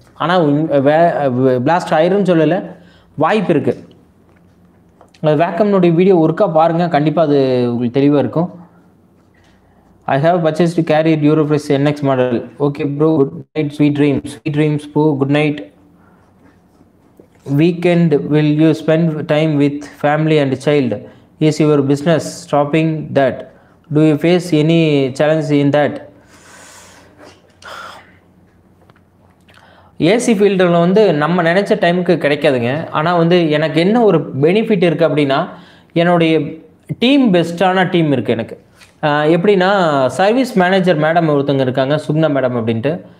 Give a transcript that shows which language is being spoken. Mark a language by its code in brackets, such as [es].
[ta] ஆனால் பிளாஸ்ட் ஆயிருன்னு சொல்லலை, வாய்ப்பு இருக்குது. வேக்கம்னுடைய வீடியோ ஒர்க்காக பாருங்கள், கண்டிப்பாக அது உங்களுக்கு தெளிவாக இருக்கும். [en] I have purchase to carry Duroflex NX model. Okay bro, good night, sweet dream, sweet dreams bro, good night. Weekend will you spend time with family and child? Is your business stopping that? Do you face any challenge in that? [ta] AC ஃபீல்டில் வந்து நம்ம நினச்ச டைமுக்கு கிடைக்காதுங்க. ஆனால் வந்து எனக்கு என்ன ஒரு பெனிஃபிட் இருக்குது அப்படின்னா, என்னுடைய டீம் பெஸ்டான டீம் இருக்குது எனக்கு. எப்படின்னா, சர்வீஸ் மேனேஜர் மேடம் ஒருத்தங்க இருக்காங்க, சுக்னா மேடம் அப்படின்ட்டு.